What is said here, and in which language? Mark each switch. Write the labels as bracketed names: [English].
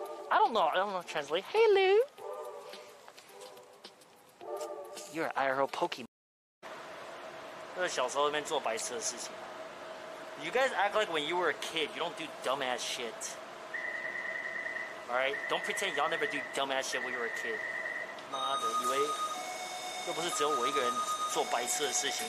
[English] I don't know translate. Hello, you're an IRL Pokemon. [Chinese] 这是小时候那边做白痴的事情。 [English] You guys act like when you were a kid, you don't do dumbass shit. Alright, don't pretend y'all never do dumbass shit when you were a kid. [Chinese] 妈的，以为又不是只有我一个人做白痴的事情。